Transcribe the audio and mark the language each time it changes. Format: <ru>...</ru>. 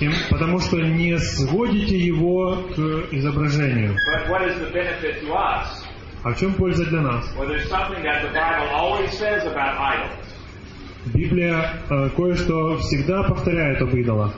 <ru>Потому что не сводите его к изображению.</ru> <en>But what is the benefit to us?</en> <ru>А в чем польза для нас?</ru> <en>Well, there's something that the Bible always says about idols.</en> <ru>Библия кое-что всегда повторяет об идолах.</ru>